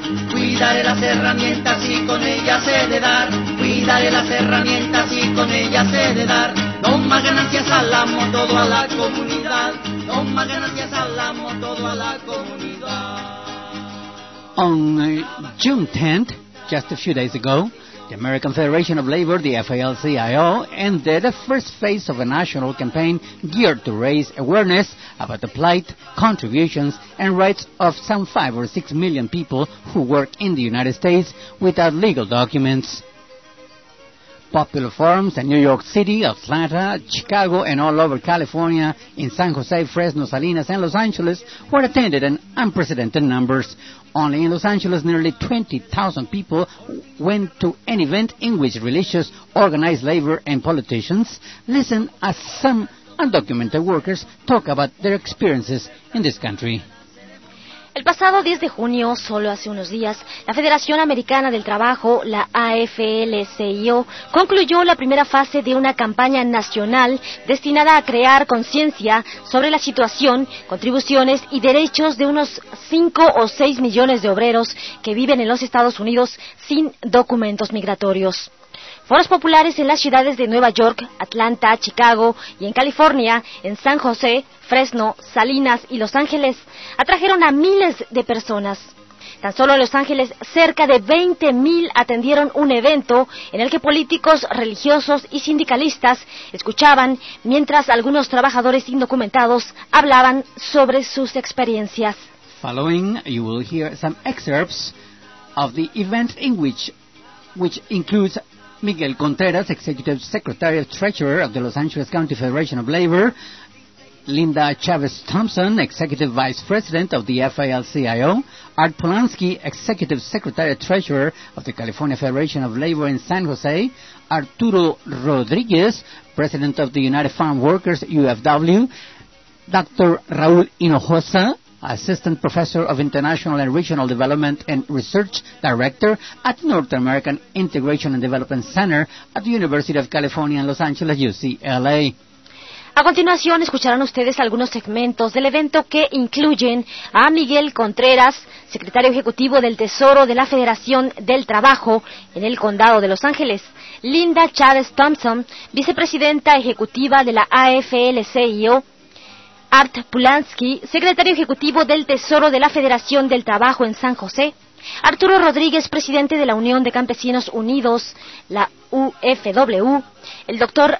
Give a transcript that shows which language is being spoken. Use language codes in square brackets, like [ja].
[es] Cuidaré las herramientas y con ellas he de dar. Cuidaré las herramientas y con ellas he de dar. No más ganancias al amo, todo a la comunidad. No más ganancias al amo, todo a la comunidad. [en] On June 10th, just a few days ago, the American Federation of Labor, the AFL-CIO, ended the first phase of a national campaign geared to raise awareness about the plight, contributions, and rights of some 5 or 6 million people who work in the United States without legal documents. popular forums in New York City, Atlanta, Chicago, and all over California, in San Jose, Fresno, Salinas, and Los Angeles, were attended in unprecedented numbers. Only in Los Angeles, nearly 20,000 people went to an event in which religious, organized labor, and politicians listened as some undocumented workers talk about their experiences in this country. [es] El pasado 10 de junio, solo hace unos días, la Federación Americana del Trabajo, la AFL-CIO, concluyó la primera fase de una campaña nacional destinada a crear conciencia sobre la situación, contribuciones y derechos de unos 5 o 6 millones de obreros que viven en los Estados Unidos sin documentos migratorios. Foros populares en las ciudades de Nueva York, Atlanta, Chicago y en California, en San José, Fresno, Salinas y Los Ángeles, atrajeron a miles de personas. Tan solo en Los Ángeles, cerca de 20.000 atendieron un evento en el que políticos, religiosos y sindicalistas escuchaban mientras algunos trabajadores indocumentados hablaban sobre sus experiencias. [en] Following, you will hear some excerpts of the event in which includes Miguel Contreras, Executive Secretary of Treasurer of the Los Angeles County Federation of Labor, Linda Chavez-Thompson, Executive Vice President of the FALCIO, Art Polanski, Executive Secretary of Treasurer of the California Federation of Labor in San Jose, Arturo Rodriguez, President of the United Farm Workers, UFW, Dr. Raul Hinojosa, Assistant Professor of International and Regional Development and Research Director at North American Integration and Development Center at the University of California in Los Angeles, UCLA. [es] A continuación, escucharán ustedes algunos segmentos del evento que incluyen a Miguel Contreras, Secretario Ejecutivo del Tesoro de la Federación del Trabajo en el Condado de Los Ángeles, Linda Chavez-Thompson, Vicepresidenta Ejecutiva de la AFL-CIO, Art Polanski, Secretario Ejecutivo del Tesoro de la Federación del Trabajo en San José, Arturo Rodríguez, Presidente de la Unión de Campesinos Unidos, la UFW, el Dr.